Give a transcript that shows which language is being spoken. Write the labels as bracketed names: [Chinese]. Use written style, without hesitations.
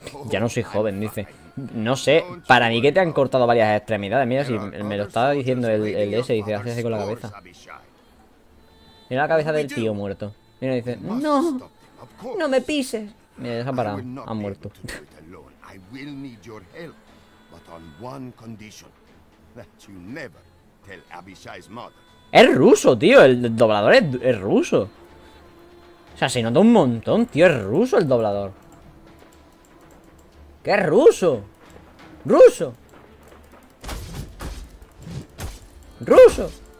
[Spanish] Ya no soy joven, dice. No sé, para mí que te han cortado varias extremidades. Mira, si me lo estaba diciendo el ese, dice, hace así con la cabeza. Mira la cabeza del tío muerto. Mira, dice, no, no me pises. Mira, ya se ha parado. Ha muerto. [English] I will need your help, but on one condition, that you never tell Abishai's mother. [Spanish] Es ruso, tío. El doblador es ruso. O sea, se nota un montón, tío. Es ruso el doblador. ¡Qué ruso! ¡Ruso! ¡Ruso!